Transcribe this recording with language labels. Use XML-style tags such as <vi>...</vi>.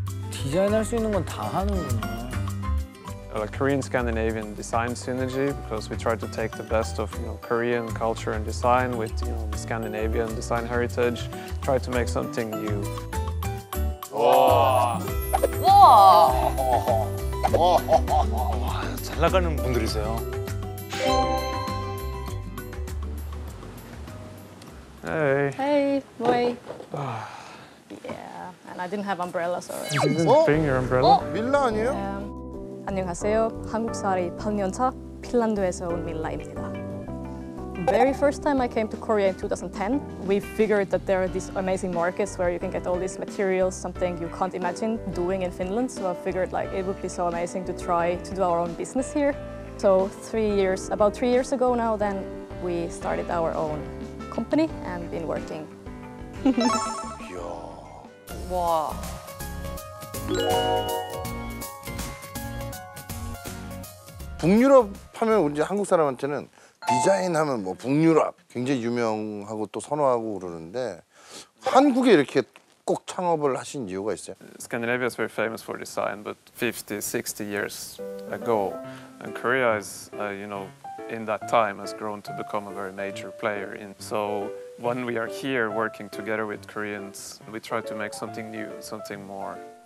<ko>디자인 할 수 있는 건 다 하는구나.</ko> <en>Like Korean-Scandinavian design synergy, because we try to take the best of, you know, Korean culture and design with, you know, Scandinavian design heritage. Try to make something new. 와. 와. 와. 와.</en> <ko>잘 나가는 분들이세요. 헤이.</ko> <en>헤이. 와. Yeah, and I didn't have umbrella, sorry. Bring your umbrella. 어?</en> <ko>밀라 아니에요? 안녕하세요. 한국살이 8년차 핀란드에서 온 밀라입니다.</ko> <en>Very first time I came to Korea in 2010, we figured that there are these amazing markets where you can get all these materials, something you can't imagine doing in Finland. So I figured like it would be so amazing to try to do our own business here. So about three years ago now, then we started our own company and been working. 와.</en> <ko>북유럽 하면 이제 한국 사람한테는 디자인 하면 뭐 북유럽 굉장히 유명하고 또 선호하고 그러는데 한국에 이렇게 꼭 창업을 하신 이유가 있어요?</ko> <en>Scandinavia is very famous for design, but 50, 60 years ago, and Korea is, you know, in that time has grown to become a very major player. And so when we are here working together with Koreans, we try to make something new, something more.</en>